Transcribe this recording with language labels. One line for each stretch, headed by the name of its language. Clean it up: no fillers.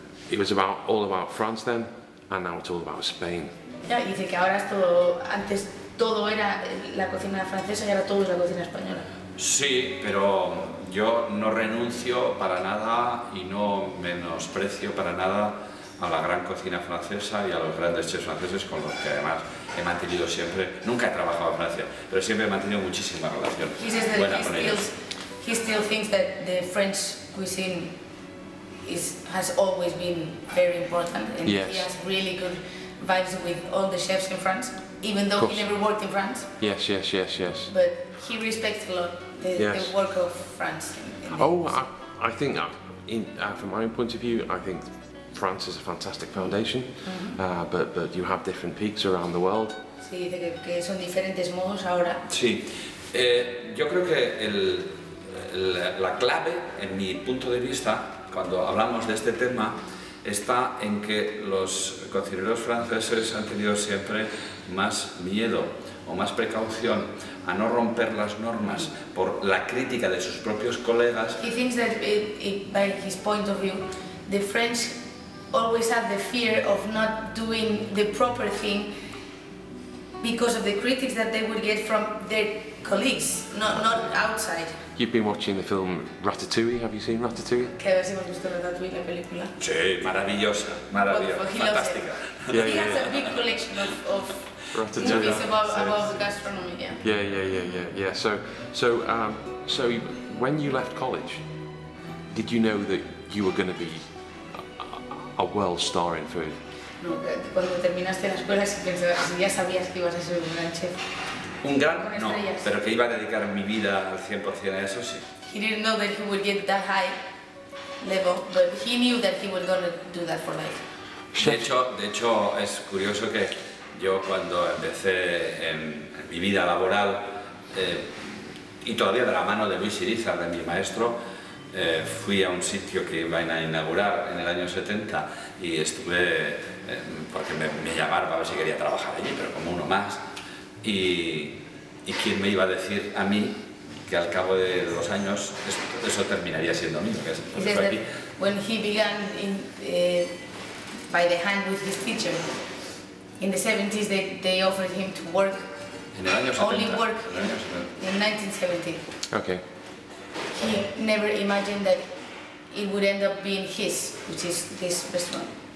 English: It was all about France then, and now it's all about Spain.
Spanish: Ya, dice que ahora es todo, antes todo era la cocina francesa y ahora todo es la cocina española. Sí, pero yo no renuncio para nada y no menosprecio para nada a la gran cocina francesa y a los grandes chefs franceses con los que además he mantenido siempre, nunca he trabajado en Francia, pero siempre he mantenido muchísima relación buena con ellos.
English: He still thinks that the French cuisine has always been very important and yes. He has really good vibes with all the chefs in France, even though he never worked in France. Yes. But he respects a lot the work of France. From my own point of view, I think France is a fantastic foundation, mm-hmm. but you have different peaks around the world.
Spanish: Sí, dice que son diferentes modos ahora. Sí, yo creo que la clave, en mi punto de vista, cuando hablamos de este tema, está en que los cocineros franceses han tenido siempre más miedo o más precaución a no romper las normas por la crítica de sus propios colegas.
English: He thinks that by his point of view, the French always have the fear of not doing the proper thing because of the critics that they would get from their colleagues, not outside. You've been watching the film Ratatouille. Have you seen Ratatouille?
Spanish: Que a ver si hemos visto Ratatouille, la película. Sí, maravillosa, fantástica.
English: Yeah. He has a big collection of Ratatouille. Movies about gastronomy. Yeah. Yeah. So when you left college, did you know that you were going to be a world star in food?
Spanish: No, cuando terminaste la escuela, si ya sabías que ibas a ser un gran chef. Un gran, no, pero que iba a dedicar mi vida al 100% a eso, sí.
English: He didn't know that he would get that high level, but he knew that he was going to do that for life.
Spanish: De hecho, es curioso que yo cuando empecé en mi vida laboral, y todavía de la mano de Luis Irizar, de mi maestro, fui a un sitio que iban a inaugurar en el año 70 y estuve, porque me llamaron a ver si quería trabajar allí, pero como uno más. Y quién me iba a decir a mí que al cabo de dos años eso terminaría siendo mío, que es lo que fue aquí.
English: When he began in, by the hand with his teacher in the 70s, they offered him to work.
Spanish: En el año 70.
English: Only work in 1970. Okay. He never imagined that it would end up being his, which is this restaurant.